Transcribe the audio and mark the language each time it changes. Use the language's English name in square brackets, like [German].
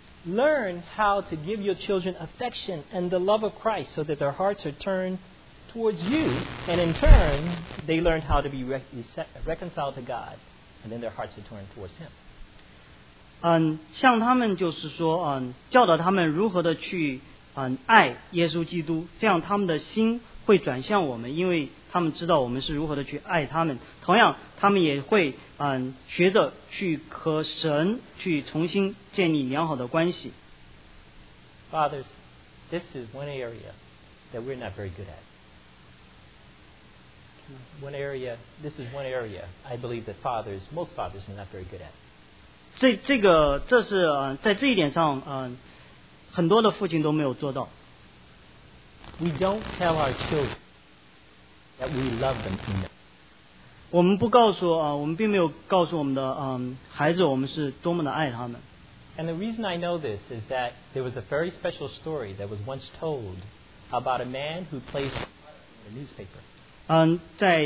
[English] Learn how to give your children affection and the love of Christ so that their hearts are turned towards you and in turn they learn how to be reconciled to God and then their hearts are turned towards him [Chinese] 向他们就是说教导他们如何的去爱耶稣基督这样他们的心会转向我们因为他们知道我们是如何的去爱他们同样他们也会学着去和神去重新建立良好的关系 [English] Fathers, this is one area that we're not very good at one area, this is one area I believe that fathers, most fathers are not very good at. [Chinese] 这是, 在这一点上, 很多的父亲都没有做到。 [English] We don't tell our children that we love them enough. [Chinese] 我们不告诉, 我们并没有告诉我们的, 孩子我们是多么的爱他们。 [English] And the reason I know this is that there was a very special story that was once told about a man who placed an article in the newspaper.